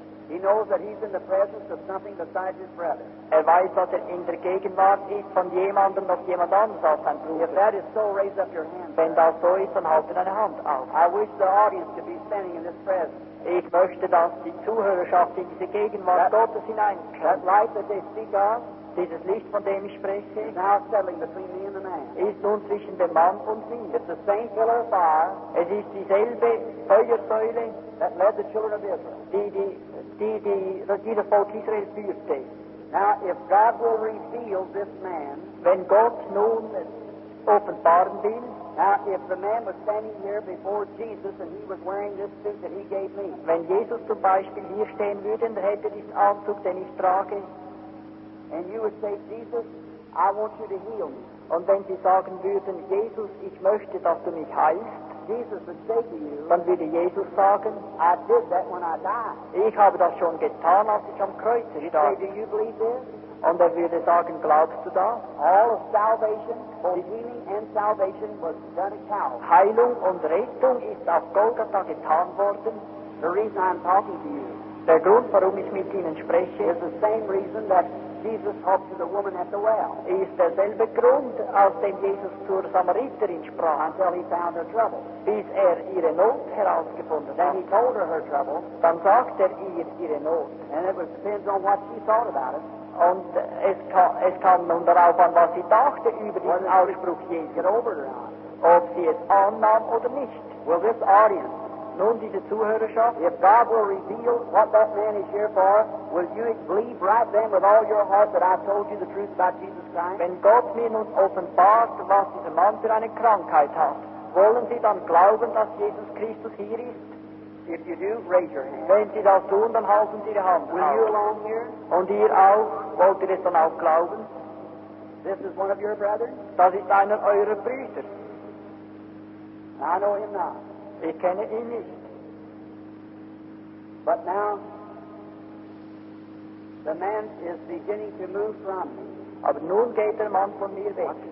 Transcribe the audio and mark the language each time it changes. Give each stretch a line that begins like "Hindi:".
English: He knows that he's in the presence of something besides his brother.
German: Er weiß, dass er in der Gegenwart ist von jemandem, noch jemand anders als sein Bruder.
English: If that is so, raise up your hand.
German: Wenn das so ist, dann halte deine Hand auf.
English: I wish the audience to be standing in this presence.
German: Ich möchte, dass die Zuhörerschaft in diese Gegenwart Gottes hineinkommt.
English: That light that they speak of,
German: dieses Licht, von dem ich spreche,
English: is now settling between me and the man.
German: Ist nun zwischen dem Mann und mir.
English: It's the same pillar of fire.
German: Es ist dieselbe Feuersäule,
English: that led the children of Israel,
German: die das Volk Israel führte.
English: Now, if God will reveal this man,
German: wenn Gott nun offenbaren will,
English: now, if the man was standing here before Jesus and he was wearing this suit that he gave me,
German: wenn Jesus zum Beispiel hier stehen würde und hätte diesen Anzug, den ich trage,
English: and you would say, Jesus, I want you to heal me.
German: Und wenn Sie sagen würden, Jesus, ich möchte, dass du mich heilst,
English: Jesus would say to you,
German: dann würde Jesus sagen,
English: I did that when I died.
German: Ich habe das schon getan, als ich am Kreuz starb.
English: Say, do you believe this?
German: Und er würde sagen, glaubst du das?
English: All of salvation, both healing and salvation, was done at Calvary.
German: Heilung und Rettung ist auf Golgatha getan worden.
English: The reason I'm talking to you,
German: der Grund, warum ich mit Ihnen spreche,
English: is the same reason that Jesus talked to the woman at the well.
German: Ist derselbe Grund, aus dem Jesus zur Samariterin sprach.
English: Until he found her trouble.
German: Bis ihre Not herausgefunden hat.
English: Then he told her trouble.
German: Dann sagt ihr ihre Not.
English: And it depends on what she thought about it.
German: Und es kam nun darauf an, was sie dachte über diesen Ausspruch Jesu, ob sie es annahm oder nicht.
English: Will this audience,
German: nun diese Zuhörerschaft,
English: if God will reveal what that man is here for, will you believe right then with all your heart that I've told you the truth about Jesus Christ?
German: Wenn Gott mir nun offenbart, was dieser Mann für eine Krankheit hat, wollen Sie dann glauben, dass Jesus Christus hier ist?
English: If you do, raise your hand.
German: Wenn Sie das tun, dann halten Sie Ihre Hand.
English: Will you along here?
German: Und ihr auch? Wollt ihr es dann auch glauben?
English: This is one of your brothers?
German: Das ist einer eurer Brüder.
English: I know him not.
German: Ich kenne ihn nicht.
English: But now, the man is beginning to move from me.
German: Aber nun geht der Mann von mir weg.